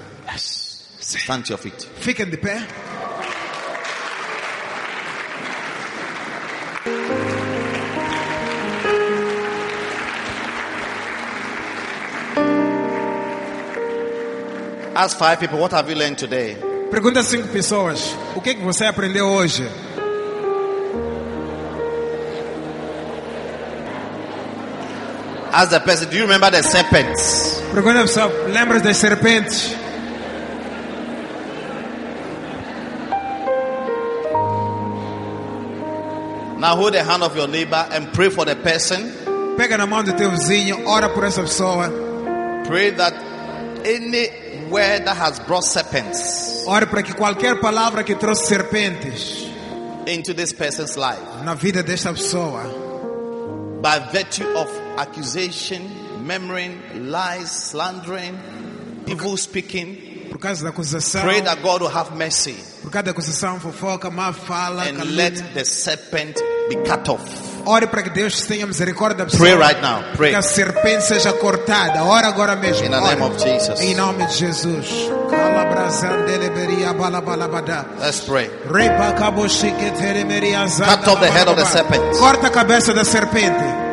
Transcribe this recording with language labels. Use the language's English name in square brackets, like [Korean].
[English] Yes. Stand to your feet. [Portuguese] Fique de pé. [English] Ask five people, what have you learned today? [Portuguese] Pergunta a cinco pessoas, o que você aprendeu hoje? [English] Ask the person, do you remember the serpents? [Portuguese] Pergunta a pessoa, lembra das serpentes? [English] Now hold the hand of your neighbor and pray for the person. [Portuguese] Pega na mão do teu vizinho, ora por essa pessoa. [English] Pray that any word that has brought serpents, [Portuguese] ora para que qualquer palavra que trouxe serpentes, [English] into this person's life, [Portuguese] na vida desta pessoa, [English] by virtue of accusation, memory, lies, slandering, evil speaking, [Portuguese] por causa da acusação, [English] pray that God will have mercy. [Portuguese] Por causa da acusação, fofoca, má fala, [English] and calina, let the serpent be cut off. [Portuguese] Ore para que Deus tenha misericórdia da pessoa. [English] Pray right now. Pray. [Portuguese] Que a serpente seja cortada. Ora agora mesmo. [English] In the name of Jesus. [Portuguese] Em nome de Jesus. [English] Let's pray. Cut off the head of the serpent. [Portuguese] Corta a cabeça da serpente.